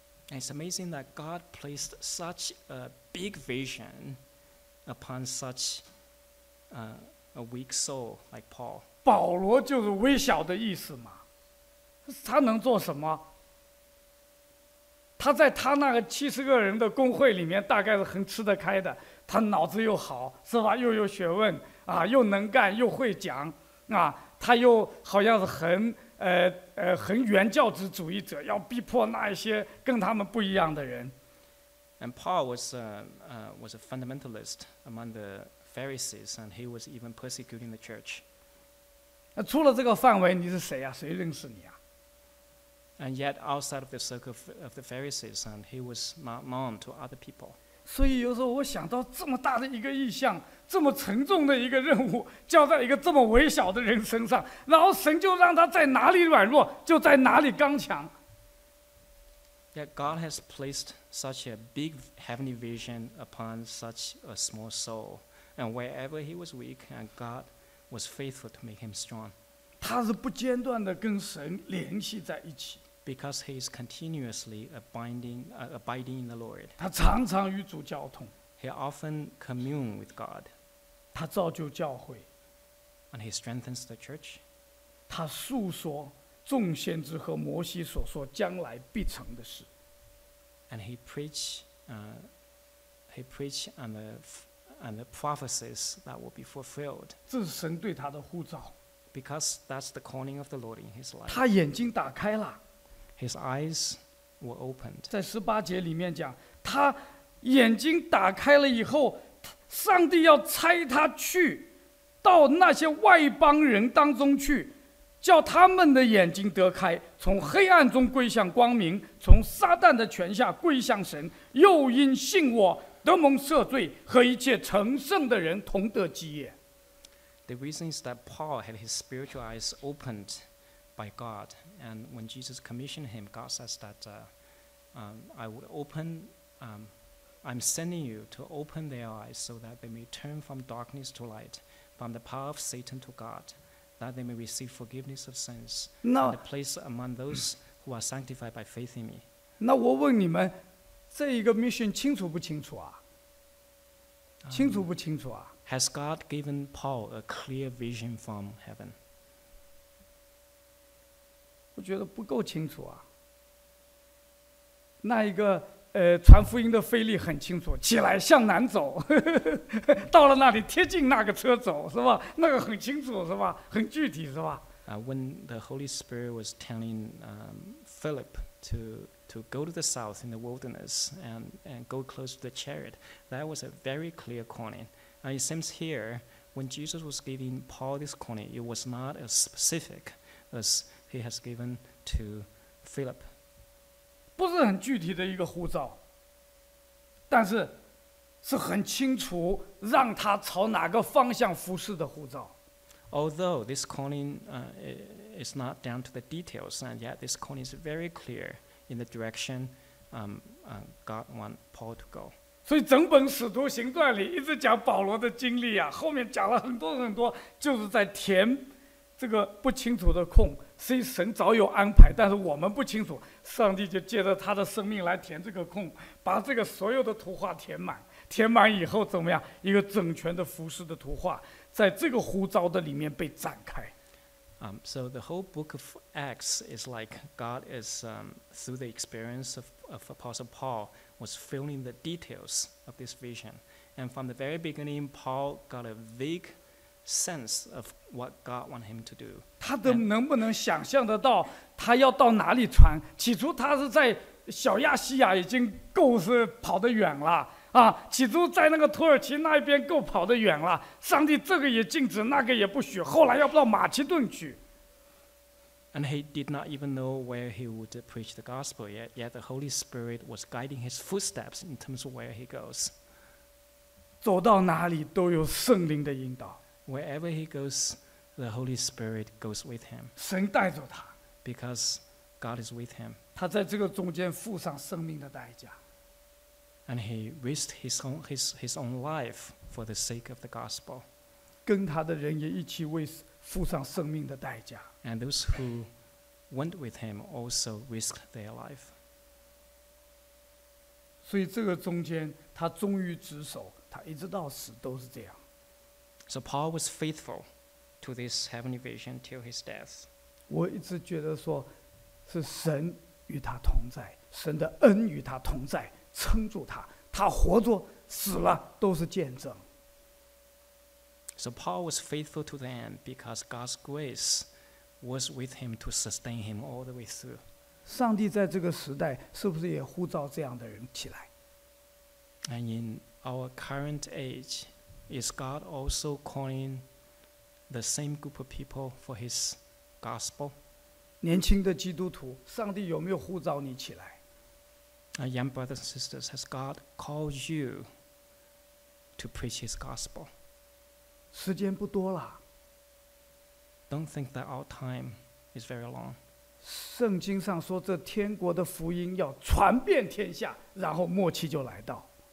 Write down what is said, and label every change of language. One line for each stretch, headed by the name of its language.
English: And it's amazing that God placed such a big vision upon such a weak soul like Paul.
Chinese: 保罗就是微小的意思嘛，他能做什么？他在他那个七十个人的公会里面大概是很吃得开的，他脑子又好是吧，又有学问啊，又能干又会讲啊，他又好像是很原教旨主义者，要逼迫那些跟他们不一样的人。
English: And Paul was a fundamentalist among the Pharisees, and he was even persecuting the church.
Chinese: 除了这个范围，你是谁啊？谁认识你啊？
English: And yet outside of the circle of the Pharisees, and he was not known to other people.
Chinese: 所以有时候我想到这么大的一个意象，这么沉重的一个任务交在一个这么微小的人身上，然后神就让他在哪里软弱就在哪里刚强。
English: Yet God has placed such a big heavenly vision upon such a small soul, and wherever he was weak, and God was faithful to make him strong.
Chinese: 他是不间断地跟神联系在一起。
English: Because he is continuously abiding in the Lord.
Chinese: 他常常与主交通。
English: He often commune with God.
Chinese: 他造就教会，
English: and he strengthens the church.
Chinese: 他述说众先知和摩西所说将来必成的事。
English: And he preached on the prophecies that will be fulfilled.
Chinese: 这是神对他的呼召。
English: Because that's the calling of the Lord in his life.
Chinese: 他眼睛打开了。
English: His eyes were opened.
Chinese: 在十八节里面讲，他眼睛打开了以后，上帝要差他去到那些外邦人当中去，叫他们的眼睛得开，从黑暗中归向光明，从撒旦的权下归向神，又因信我得蒙赦罪，和一切成圣的人同得基业。
English: The reason is that Paul had his spiritual eyes opened by God, and when Jesus commissioned him, God says that I would open I'm sending you to open their eyes so that they may turn from darkness to light, from the power of Satan to God, that they may receive forgiveness of sins, and a place among those who are sanctified by faith in me.
Chinese: 那我问你们，这一个 mission 清楚不清楚啊？清楚不清楚啊？
English: Has God given Paul a clear vision from heaven?
Chinese: 我觉得不够清楚啊。那一个传福音的腓力很清楚，起来向南走，到了那里贴近那个车走，是吧？那个很清楚，是吧？很具体，是吧？
English: When the Holy Spirit was telling Philip to go to the south in the wilderness and go close to the chariot, that was a very clear calling. And it seems here, when Jesus was giving Paul this calling, it was not as specific as he has given to Philip.
Chinese: 不是很具体的一个呼召，但是是很清楚让他朝哪个方向服事的呼召。
English: Although this calling is not down to the details, and yet this calling is very clear in the direction God wants Paul to go.
Chinese: 所以整本使徒行传里一直讲保罗的经历啊，后面讲了很多很多，就是在填这个不清楚的空。所以神早有安排，但是我们不清楚，上帝就借着他的生命来填这个空，把这个所有的图画填满，填满以后怎么样，一个整全的服事的图画在这个呼召的里面被展开。
English: So the whole book of Acts is like God is through the experience of Apostle Paul was filling the details of this vision, and from the very beginning Paul got a vague sense of what God want him to do.
Chinese: 他的能不能想象得到他要到哪里传？起初他是在小亚细亚已经够是跑得远了啊，起初在那个土耳其那边够跑得远了，上帝这个也禁止，那个也不许，后来要到马其顿去。
English: And he did not even know where he would preach the gospel yet, yet the Holy Spirit was guiding his footsteps in terms of where he goes.
Chinese: 走到哪里都有圣灵的引导。
English: Wherever he goes, the Holy Spirit goes with him.
Chinese: 神带着他。
English: Because God is with him.
Chinese: 他在这个中间付上生命的代价。
English: And he risked his own life for the sake of the gospel.
Chinese: 跟他的人也一起为付上生命的代价。
English: And those who went with him also risked their life.
Chinese: 所以这个中间他忠于职守，他一直到死都是这样。
English: So Paul was faithful to this heavenly vision till his death.
Chinese: 我一直觉得说，是神与他同在，神的恩与他同在，撑住他，他活着死了都是见证。
English: So Paul was faithful to the end because God's grace was with him to sustain him all the way through.
Chinese: 上帝在这个时代是不是也呼召这样的人起来？
English: And in our current age,Is God also calling the same group of people for His gospel?
Chinese: 年轻的基督徒，上帝有没有呼召你起来？
English: Young brothers and sisters, has God called you to preach His gospel?
Chinese: 时间不多了。
English: Don't think that our time is very long.
Chinese: 圣经上说，这天国的福音要传遍天下，然后末期就来到。